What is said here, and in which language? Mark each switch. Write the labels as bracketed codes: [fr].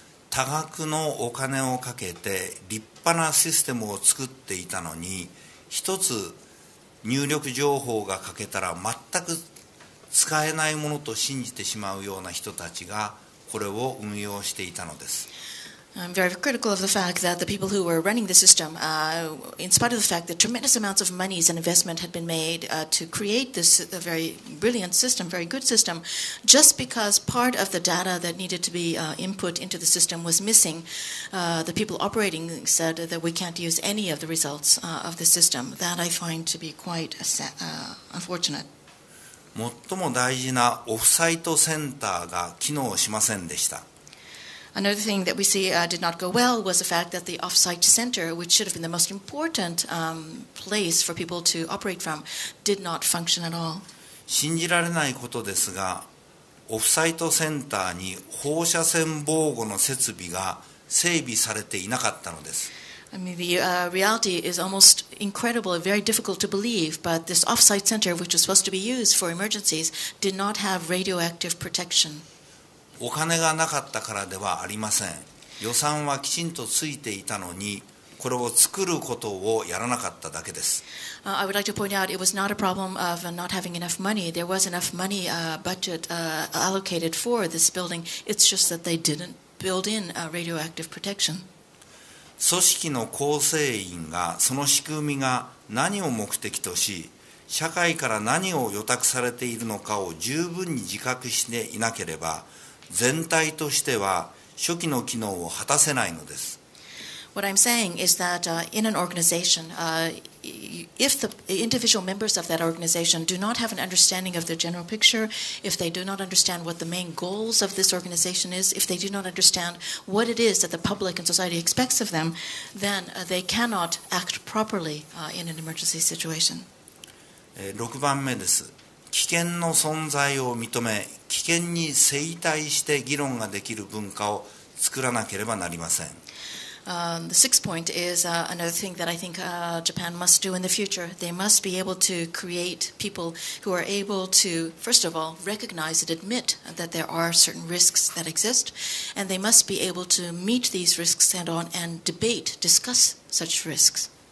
[ja] 多額のお金をかけて立派なシステムを作っていたのに、一つ入力情報が欠けたら全く使えないものと信じてしまうような人たちがこれを運用していたのです。 [en] I'm very critical of the fact that the people who were running the system, in spite of the fact that tremendous amounts of monies and investment had been made to create this very brilliant system, very good system, just because part of the data that needed to be input into the system was missing, the people operating said that we can't use any of the results of the system. That I find to be quite unfortunate. [ja] 最も大事なオフサイトセンターが機能しませんでした。 [en] Another thing that we see did not go well was the fact that the off-site center, which should have been the most important place for people to operate from, did not function at all. [ja] 信じられないことですが、オフサイトセンターに放射線防護の設備が整備されていなかったのです。 [en] I mean, the reality is almost incredible and very difficult to believe, but this off-site center, which was supposed to be used for emergencies, did not have radioactive protection. [ja] お金がなかったからではありません。予算はきちんとついていたのに、これを作ることをやらなかっただけです。 [en] I would like to point out it was not a problem of not having enough money. There was enough money budget allocated for this building. It's just that they didn't build in radioactive protection. [ja] 組織の構成員がその仕組みが何を目的とし、社会から何を予託されているのかを十分に自覚していなければ、全体としては初期の機能を果たせないのです。 [en] What I'm saying is that in an organization, if the individual members of that organization do not have an understanding of the general picture, if they do not understand what the main goals of this organization is, if they do not understand what it is that the public and society expects of them, then they cannot act properly in an emergency situation. [ja] 6番目です。危険の存在を認め、危険に正対して議論ができる文化を作らなければなりません。 [en] The sixth point is another thing that I think Japan must do in the future. They must be able to create people who are able to, first of all, recognize and admit that there are certain risks that exist, and they must be able to meet these risks head on and debate, discuss such risks.